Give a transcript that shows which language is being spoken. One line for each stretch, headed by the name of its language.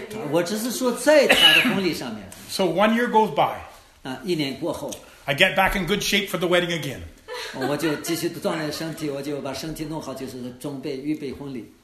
Chinese: 我只是说在她的婚礼上面。
English: So 1 year goes by.
Chinese: 一年过后。
English: I get back in good shape for the wedding again.
Chinese: 我就继续锻炼身体，我就把身体弄好，就是装备预备婚礼。